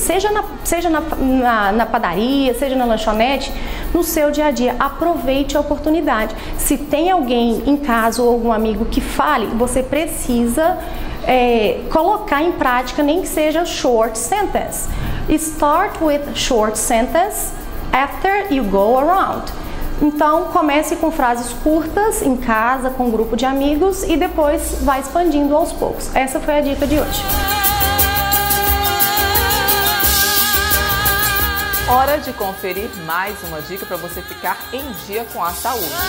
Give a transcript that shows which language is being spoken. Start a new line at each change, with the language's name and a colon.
Portuguese: Seja na padaria, seja na lanchonete, no seu dia a dia. Aproveite a oportunidade. Se tem alguém em casa ou algum amigo que fale, você precisa colocar em prática, nem que seja
English: short sentence. Start with short sentence after you go around.
Portuguese: Então, comece com frases curtas em casa, com um grupo de amigos e depois vai expandindo aos poucos. Essa foi a dica de hoje. Hora de conferir mais uma dica para você ficar em dia com a saúde.